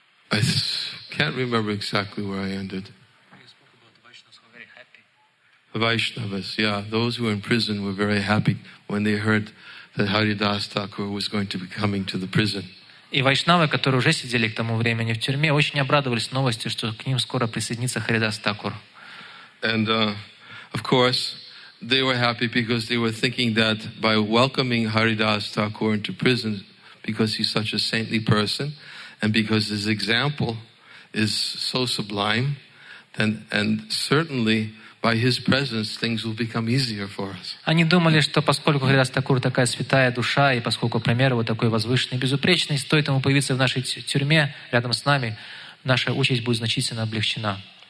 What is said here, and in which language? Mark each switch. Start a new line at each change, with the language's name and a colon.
English: And then I can't remember exactly where I ended. You spoke about the Vaishnavas were very happy. Vaishnavas, yeah. Those who were in prison were very happy when they heard that Haridas Thakur was going to be coming to the prison.
Russian: И вайшнавы, которые уже сидели к тому времени в тюрьме, очень обрадовались новости, что к ним скоро присоединится Харидас Такур.
English: And of course, they were happy because they were thinking that by welcoming Haridas Thakur into prison, because he's such a saintly person, and because his example is so sublime, And certainly by his presence things will become easier for us.
Russian: Они думали, что поскольку Харидас Такур такая святая душа, и поскольку пример вот такой возвышенный и безупречный, стоит ему появиться в нашей тюрьме рядом с нами, наша участь будет значительно облегчена.